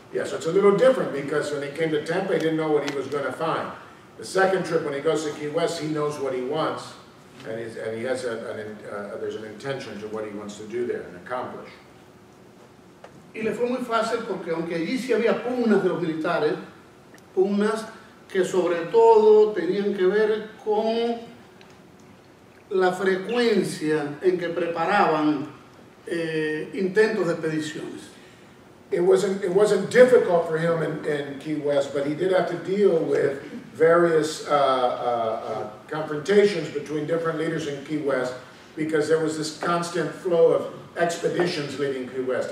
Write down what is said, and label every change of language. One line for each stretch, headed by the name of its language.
English: Yeah, so it's a little different, because when he came to Tampa, he didn't know what he was going to find. The second trip, when he goes to Key West, he knows what he wants, and he has there's an intention to what he wants to do there and accomplish.
Spanish: Y le fue muy fácil porque aunque allí sí había pugnas de los militares, pugnas que sobre todo tenían que ver con la frecuencia en que preparaban intentos de expediciones.
English: It wasn't difficult for him in Key West, but he did have to deal with various confrontations between different leaders in Key West, because there was this constant flow of expeditions leading Key West.